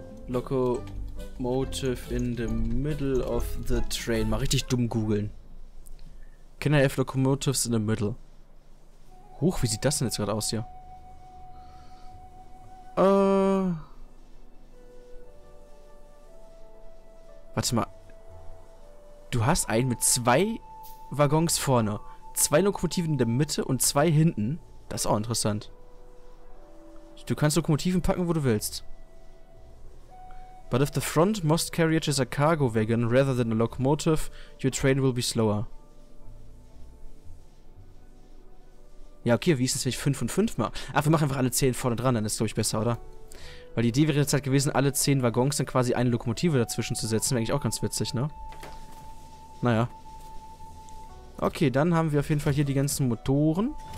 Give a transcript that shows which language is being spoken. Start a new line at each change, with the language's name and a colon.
English: Locomotive in the middle of the train.
German: Mal richtig dumm googeln.
English: Can I have locomotives in the middle?
German: Huch, wie sieht das denn jetzt gerade aus hier? Warte mal. Du hast einen mit 2 Waggons vorne, 2 Lokomotiven in der Mitte und 2 hinten. Das ist auch interessant. Du kannst Lokomotiven packen, wo du willst.
English: But if the front most carriage is a cargo wagon rather than a locomotive, your train will be slower.
German: Ja, okay, wie ist es, wenn ich 5 und 5 mache? Ach, wir machen einfach alle 10 vorne dran, dann ist es, glaube ich, besser, oder? Weil die Idee wäre jetzt halt gewesen, alle 10 Waggons dann quasi eine Lokomotive dazwischen zu setzen. Wäre eigentlich auch ganz witzig, ne? Naja. Okay, dann haben wir auf jeden Fall hier die ganzen Motoren.